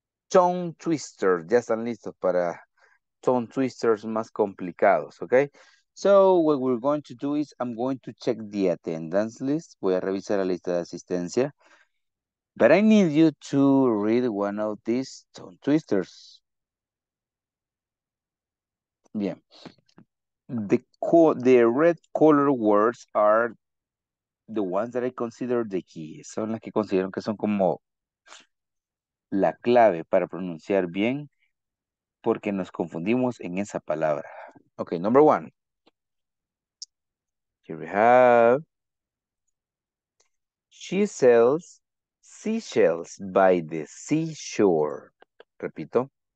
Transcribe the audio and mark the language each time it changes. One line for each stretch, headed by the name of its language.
Spanish: Tongue twisters, ya están listos para tongue twisters más complicados, okay?
English: So, what we're going to do is, I'm going to check the attendance list.
Spanish: Voy a revisar la lista de asistencia.
English: But I need you to read one of these tongue twisters. Bien. The red color words are the ones that I consider the key.
Spanish: Son las que considero que son como la clave para pronunciar bien porque nos confundimos en esa palabra.
English: Okay, number one. Here we have. She sells seashells by the seashore.
Spanish: Repito.